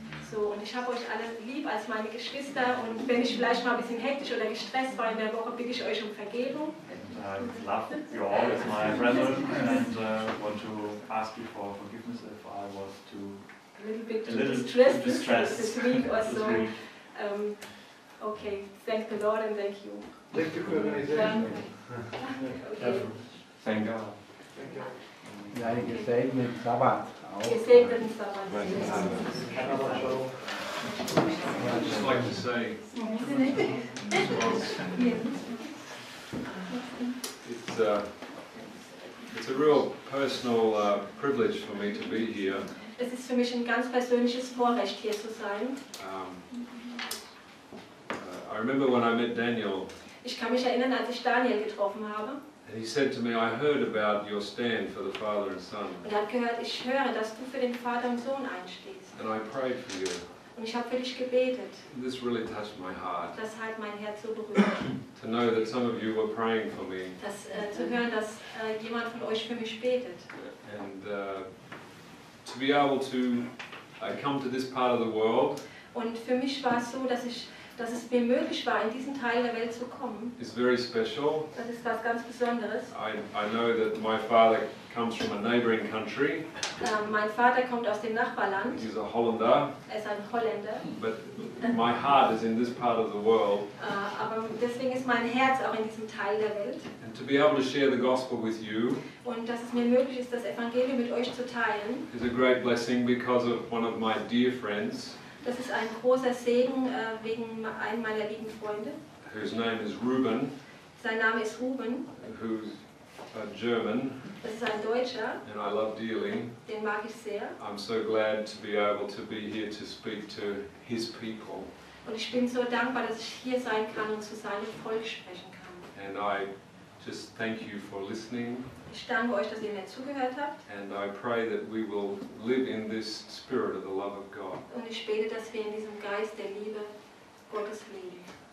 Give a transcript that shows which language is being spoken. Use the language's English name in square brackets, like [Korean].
[German] So, und ich habe euch alle lieb als meine Geschwister und wenn ich vielleicht mal ein bisschen hektisch oder gestresst war in der Woche, bitte ich euch um Vergebung. [English] I love you all as my brethren and want to ask you for forgiveness if I was too a little bit distressed this week or so. Okay, thank the Lord and thank you. Thank you for thank God. [German] Ja, ihr gesegnet Sabbat auch. Gesegneten Sabbat. [English] I'd just like to say, it's a real personal privilege for me to be here. [German] Es ist für mich ein ganz persönliches Vorrecht, hier zu sein. [English] I remember when I met Daniel. [German] Ich kann mich erinnern, als ich Daniel getroffen habe. [English] And he said to me, I heard about your stand for the Father and Son. [German] Und er hat gehört, ich höre, dass du für den Vater und Sohn einstehst. [English] And I prayed for you. [German] Und ich habe für dich gebetet. [English] And this really touched my heart. [German] Das hat mein Herz so berührt. [English] To know that some of you were praying for me. [German] Das, zu hören, dass jemand von euch für mich betet. [English] And to be able to come to this part of the world. [German] Und für mich war es so, dass ich... dass es mir möglich war, in diesen Teil der Welt zu kommen. [English] It's very special. [German] Das ist was ganz Besonderes. [English] I know that my father comes from a neighboring country. [German] Mein Vater kommt aus dem Nachbarland. [English] He's a Holländer. [German] Er ist ein Holländer. [English] But my heart is in this part of the world. [German] Aber deswegen ist mein Herz auch in diesem Teil der Welt. [English] And to be able to share the gospel with you. [German] Und dass es mir möglich ist, das Evangelium mit euch zu teilen. [English] Is a great blessing because of one of my dear friends. [German] Das ist ein großer Segen wegen einem meiner lieben Freunde. [English] Whose name is Ruben. [German] Sein Name ist Ruben. [English] Who's a German. [German] Das ist ein Deutscher. [English] And I love dealing. [German] Den mag ich sehr. [English] I'm so glad to be able to be here to speak to his people. [German] Und ich bin so dankbar, dass ich hier sein kann und zu seinem Volk sprechen kann. [English] And I just thank you for listening. [German] Ich danke euch, dass ihr mir zugehört habt. [English] And I pray that we will live in this spirit of the love of God. [German] Und ich bete, dass wir in diesem Geist der Liebe Gottes leben.